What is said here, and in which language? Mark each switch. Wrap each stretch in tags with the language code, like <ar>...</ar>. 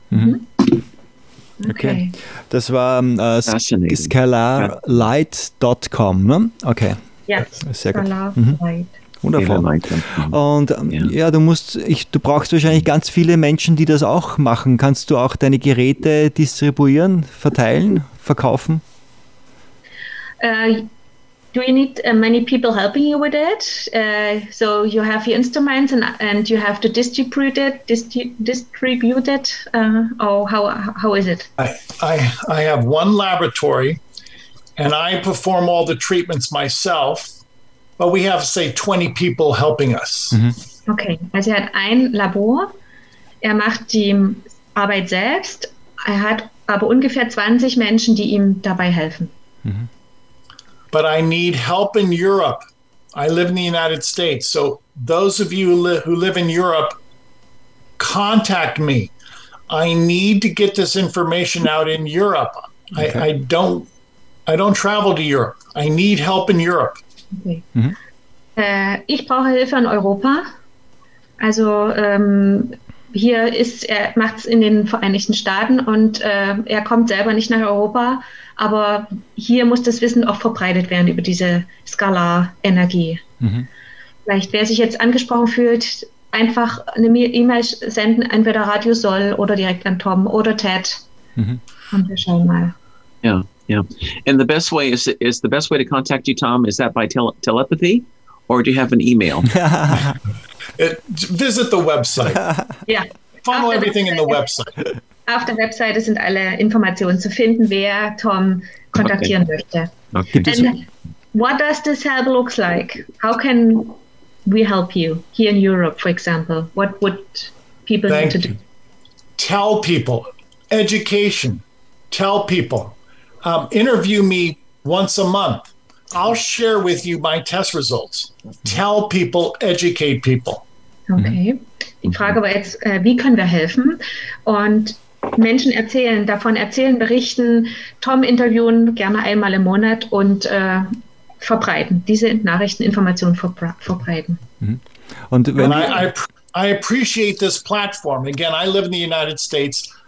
<de>Mhm. Okay. Das war skalarlight.com, ne? Okay. Ja,</de> <en>yes.</en> <de>Sehr gut. Wundervoll. Und ja, du brauchst wahrscheinlich ganz viele Menschen, die das auch machen. Kannst du auch deine Geräte distribuieren, verteilen, verkaufen?</de> <en>Do you need many people helping you with it? So you have your instruments and you have to distribute it? How is it? I have one laboratory and I perform all the treatments myself. But we have, say, 20 people helping us. Mm-hmm.</en> <de>Okay, also er hat ein Labor, er macht die Arbeit selbst, er hat aber ungefähr 20 Menschen, die ihm dabei helfen.</de> <en>Mm-hmm. But I need help in Europe. I live in the United States, so those of you who live in Europe, contact me. I need to get this information out in Europe. Okay. I don't travel to Europe. I need help in Europe.</en> <de>Okay. Mhm. Ich brauche Hilfe in Europa. Also er macht es in den Vereinigten Staaten und er kommt selber nicht nach Europa, aber hier muss das Wissen auch verbreitet werden über diese Skalarenergie. Mhm. Vielleicht, wer sich jetzt angesprochen fühlt, einfach eine E-Mail senden, entweder Radio Soll oder direkt an Tom oder Ted. Mhm. Und wir schauen mal. Ja.</de> <en>Yeah, and the best way is the best way to contact you, Tom. Is that by telepathy, or do you have an email? Visit the website. Yeah, follow everything in the website.</en> <de>Auf der Webseite sind alle Informationen zu finden, wer Tom kontaktieren möchte. Okay.</de> <en>And what does this help look like? How can we help you here in Europe, for example? What would people need to do? Tell people, education. Tell people. Interview me once a month. I'll share with you my test results. Tell people, educate people. Okay. Mm-hmm.</en> <de>Die Frage war jetzt, wie können wir helfen? Und Menschen erzählen, davon erzählen, berichten, Tom interviewen, gerne einmal im Monat und verbreiten, diese Nachrichteninformationen verbreiten. Und wenn</de> <en>I appreciate this platform. Again, I live in the United States.</en>